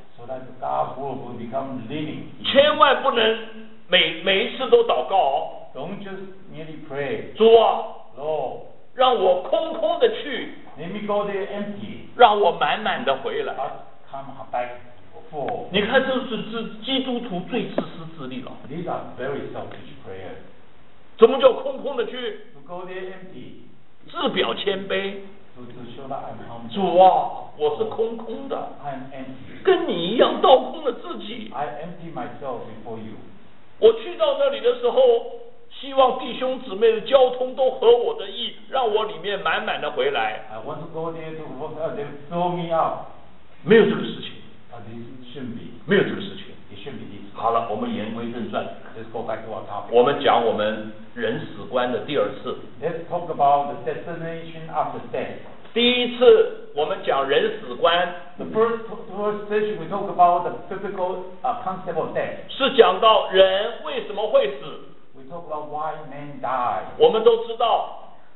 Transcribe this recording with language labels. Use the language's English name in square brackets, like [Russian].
[English] so、that God's word will become living. [Chinese] 千万不能 每一次都祷告哦 [English] Don't just merely pray. [Chinese] 主啊 [English] Lord, [Chinese] 让我空空的去 [English] Let me go there empty. [Chinese] 让我满满的回来 [English] But come back full. [Chinese] 你看这是基督徒最自私自利了 [English] These are very selfish prayers. [Chinese] 怎么叫空空的去 [English] To go there empty. [Chinese] 自表谦卑 [English] To show that I'm humble. [Chinese] 主啊我是空空的 [English] I'm empty. [Chinese] 跟你一样倒空了自己 [English] I empty myself before you. [Chinese] 我去到那里的时候希望弟兄姊妹的交通都合我的意，让我里面满满的回来。 [English] I want to go there to work out. They throw me out. [Chinese] 没有这个事情。 [English] But it shouldn't be. [Chinese] 没有这个事情。 [English] It shouldn't be this. [Chinese] 好了，我们言归正传。 [English] Let's go back to our topic. [Chinese] 我们讲我们人死观的第二次。 [English] Let's talk about the destination after death. [Chinese] 第一次我们讲人死观。 [English] The first session we talk about the biblical concept of death. [Chinese] 是讲到人为什么会死。 [English] Talk about why men die. [Chinese] 我们都知道